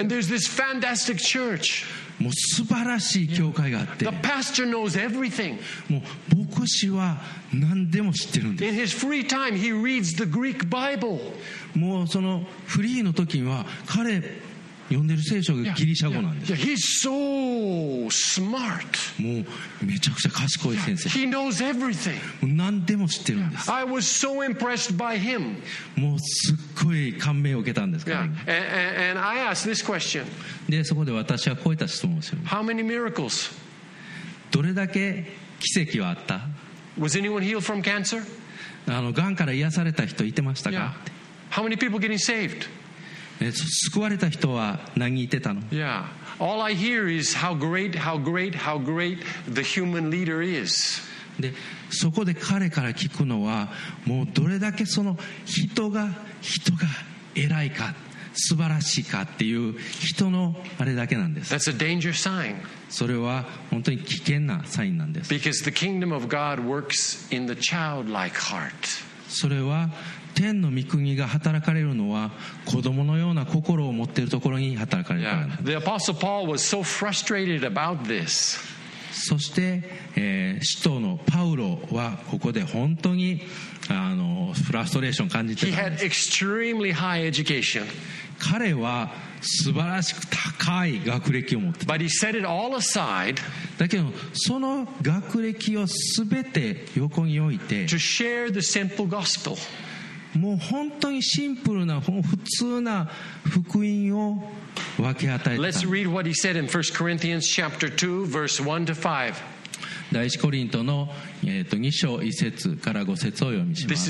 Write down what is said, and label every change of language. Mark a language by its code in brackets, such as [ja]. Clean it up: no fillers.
[en] And there's this fantastic church. [ja] もう素晴らしい教会があって、 [en] The pastor knows everything. [ja] もう牧師は何でも知ってるんです。 [en] In his free time he reads the Greek Bible. [ja] もうそのフリーの時には彼読んでる聖書がギリシャ語なんです。 [en] yeah, he's so smart. [ja] もうめちゃくちゃ賢い先生。 [en] he knows everything. [ja] 何でも知ってるんです。 [en] yeah, I was so impressed by him. [ja] もうすっごい感銘を受けたんですから。 [en] yeah, and I asked this question. [ja] でそこで私はこういった質問をする。 [en] How many miracles? [ja] どれだけ奇跡はあった。 [en] Was anyone healed from cancer? [ja] がんから癒された人いてましたか。 [en] yeah. How many people getting saved? [ja] 救われた人は何言ってたの？ [en] Yeah. All I hear is how great, how great, how great the human leader is. [ja] で、そこで彼から聞くのは、もうどれだけその人が偉いか、素晴らしいかっていう人のあれだけなんです。 [en] That's a danger sign. [ja] それは本当に危険なサインなんです。 [en] Because the kingdom of God works in the childlike heart. [ja] それは天の御国が働かれるのは子供のような心を持っているところに働かれるからなんです。 [en] Yeah. The apostle Paul was so frustrated about this. [ja] そして、使徒のパウロはここで本当にフラストレーションを感じてたんです。 [en] He had extremely high education. [ja] 彼は素晴らしく高い学歴を持ってた。 [en] But he set it all aside. [ja] だけどその学歴をすべて横に置いて、 [en] to share the simple gospel. [ja] もう本当にシンプルな普通な福音を分け与えた。 [en] Let's read what he said in 1 Corinthians chapter 2, verse 1 to 5. [ja] 第一コリントの2章1節から5節を読みします。